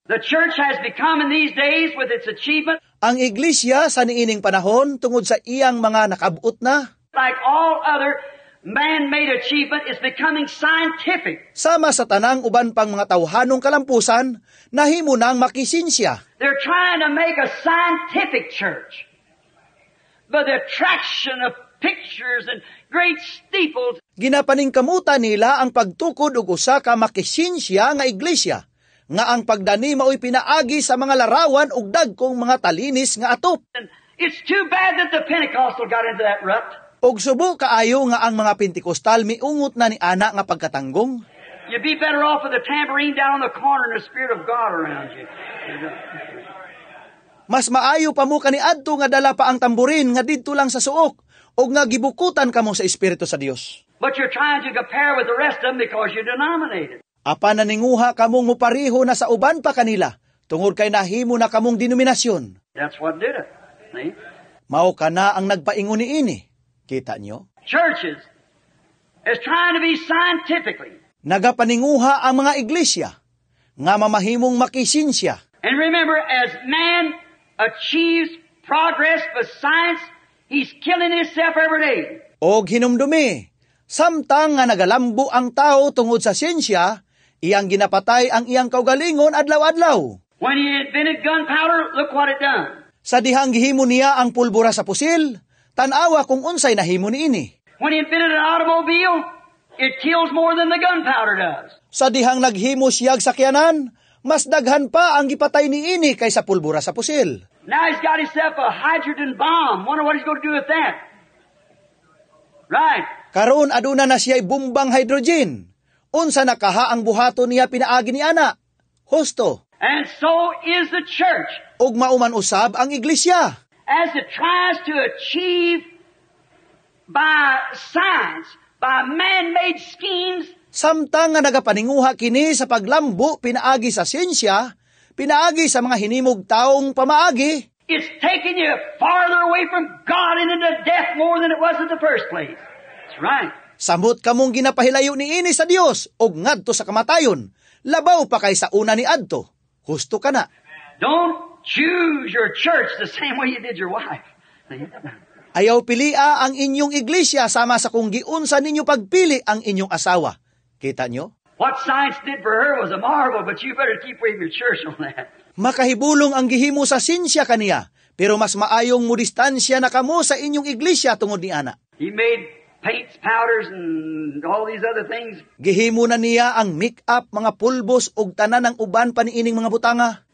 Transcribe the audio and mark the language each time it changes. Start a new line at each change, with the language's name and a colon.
English: The church has become in these days with its achievement.
Cebuano: Ang iglesia sa niining panahon tungod sa iyang mga nakabuot na.
English: Like all other man-made achievement is becoming scientific.
Cebuano: Sama sa tanang uban pang mga tawhanong kalampusan, nahimo nang makisinsya.
English: They're trying to make a scientific church. But the attraction of pictures and great steeples.
Cebuano: Ginapaningkamuta nila ang pagtukod og usa ka makisinsya nga iglesia, nga ang pagdani mao'y pinaagi sa mga larawan og dagkong mga talinis nga atop.
English: It's too bad that the Pentecostal got into that rut.
Cebuano: Og subo kaayo nga ang mga Pentecostal miungot na ni Ana nga pagkatanggong.
English: You'd be better off with a tambourine down on the corner and the Spirit of God around you.
Cebuano: Mas maayo pa mo kani adto nga dala pa ang tamburin nga dito lang sa suok o nga gibukutan ka mo sa Espiritu sa Dios.
English: But you're trying to compare with the rest of them because you're denominated.
Cebuano: Apa naninguha ka mong mupariho na sa uban pa kanila tungod kay nahimo na kamong denominasyon.
English: That's what did it. See?
Cebuano: Mao ka na ang nagpaingon ni ini. Kita nyo?
English: Churches is trying to be scientifically.
Cebuano: Nagapaninguha ang mga iglesia nga mamahimong makisinsya.
English: And remember, as man achieves progress with science, he's killing himself every day.
Cebuano: Og hinumdumi, samtang nga nagalambo ang tao tungod sa siyensya, iyang ginapatay ang iyang kaugalingon adlaw-adlaw.
English: When he invented gunpowder, look what it done.
Cebuano: Sa dihang gihimo niya ang pulbura sa pusil, tanawa kung unsay nahimo niini.
English: When he invented an automobile, it kills more than the gunpowder does.
Cebuano: Sa dihang naghimo siyag sakyanan, mas daghan pa ang gipatay niini kaysa pulbura sa pusil.
English: Now he's got himself a hydrogen bomb. Wonder what he's going to do with that. Right.
Cebuano: Karon aduna na siya'y bumbang hydrogen. Unsa nakaha ang buhato niya pinaagi ni Ana. Husto.
English: And so is the church.
Cebuano: Ug mauman usab ang iglesia.
English: As it tries to achieve by science, by man-made schemes.
Cebuano: Samtang nga nagapaninguha kini sa paglambo pinaagi sa siyensya, pinaagi sa mga hinimog taong pamaagi.
English: It's taking you farther away from God and into death more than it was in the first place. That's right.
Cebuano: Samot ka mong ginapahilayo ni ini sa Dios og ngadto sa kamatayon, labaw pa kay sa una ni adto. Husto ka na.
English: Don't choose your church the same way you did your wife.
Cebuano: Ayaw pilia ang inyong iglesia sama sa kung giunsa ninyo pagpili ang inyong asawa. Kita nyo?
English: What science did for her was a marvel, but you better keep reading your church on that.
Cebuano: Makahibulong ang gihimo sa sinsya kaniya, pero mas maayong mudistansya na kamo sa inyong iglesia tungod ni ana.
English: He made paints, powders, and all these other things.
Cebuano: Gihimo na niya ang make-up, mga pulbos, ug tanan ng uban pa niining mga butanga.